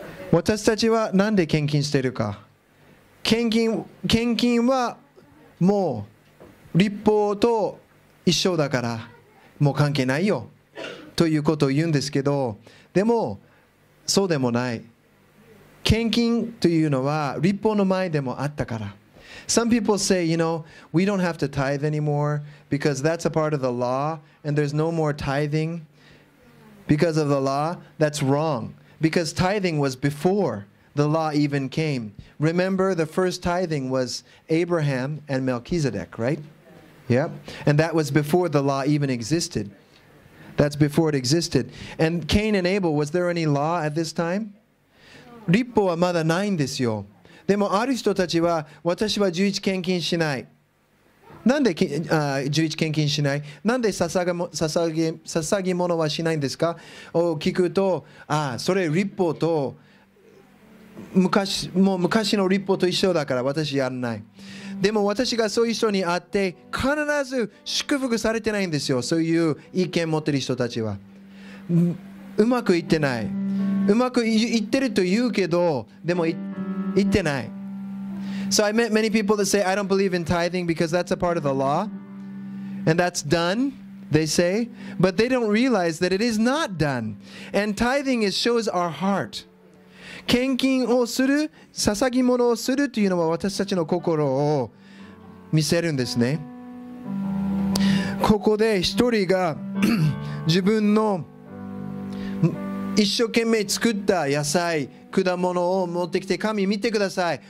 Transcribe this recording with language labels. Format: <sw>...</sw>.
<ja>私たちは何で献金しているか。献金はもう律法と一緒だからもう関係ないよということを言うんですけど、でもそうでもない。献金というのは律法の前でもあったから。</ja> <en>Some people say, you know, we don't have to tithe anymore because that's a part of the law and there's no more tithing because of the law. That's wrong. Because tithing was before the law even came. Remember, the first tithing was Abraham and Melchizedek, right? Yep. And that was before the law even existed. That's before it existed. And Cain and Abel, was there any law at this time?</en> <ja>律法はまだないんですよ。でもある人たちは、私は11献金しない。なんで11献金しない？なんで捧げ物はしないんですかを聞くと、ああ、それ律法と昔の律法と一緒だから私やらない。でも私がそういう人に会って、必ず祝福されてないんですよ。そういう意見を持っている人たちは。うまくいってない。うまくいってると言うけど、でもいってない。</ja> <en>So I met many people that say, I don't believe in tithing because that's a part of the law. And that's done. they say, but they don't realize that it is not done. And tithing is, shows our heart.</en> <ja>献金をする、捧ぎ物をするというのは私たちの心を見せるんですね。ここで一人が自分の一生懸命作った野菜、果物を持ってきて、神見てください。</ja>